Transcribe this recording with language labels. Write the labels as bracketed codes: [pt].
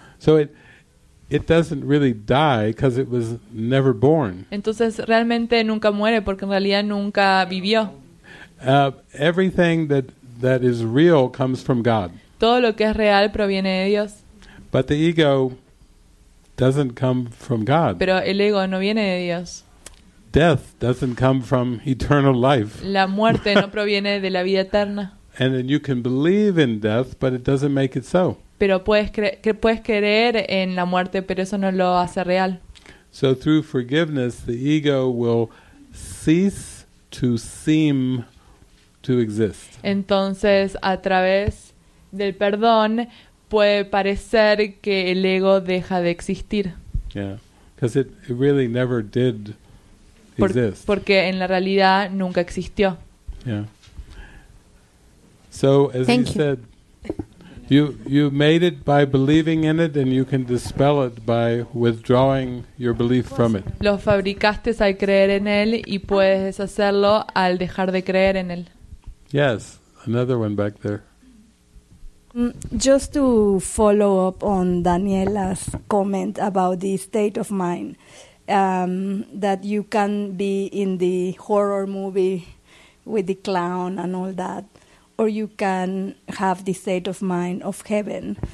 [en] So it doesn't really die because it was never born. [es] Entonces realmente nunca muere porque en realidad nunca vivió. [en] Everything that is real comes from God. [es] Todo lo que es real proviene de Dios. [en] But the ego doesn't come from God. [es] Pero el ego no viene de Dios. [en] death doesn't come from eternal life. [es] La muerte no proviene de la vida eterna. [en] And then you can believe in death, but it doesn't make it so. [es] Pero puedes creer en la muerte, pero eso no lo hace real. [en] So through forgiveness, the ego will cease to seem to exist. [es] Entonces, a través del perdón, puede parecer que el ego deja de existir. [en] Yeah, because it really never did exist. [es] Porque en la realidad nunca existió. [en] Yeah. So as Thank he you. Said, you made it by believing in it, and you can dispel it by withdrawing your belief from it. [es] Lo fabricaste al creer en él, y puedes hacerlo al dejar de creer en él. [en] Yes, another one back there. Just to follow up on Daniela's comment about the state of mind, that you can be in the horror movie with the clown and all that, or you can have the state of mind of heaven.